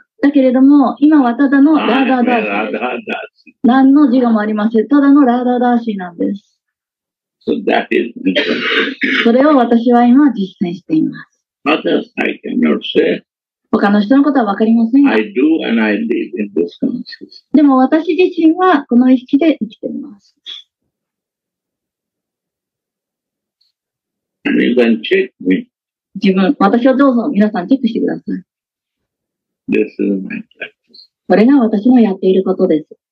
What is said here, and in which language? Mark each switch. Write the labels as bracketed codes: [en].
[ja] だけれども、今はただのラダダシ。何の自我もありません。ただのラダダシなんです。 [en] So that is important. [ja] それを私は今実践しています。 [en] Others, I cannot say. [ja] 他の人のことは分かりませんが。 [en] I do and I live in this consciousness. [ja] でも私自身はこの意識で生きています。 [en] And you can check me. [ja] 自分、私をどうぞ皆さんチェックしてください。 [en] This is my practice. [ja] これが私のやっていることです。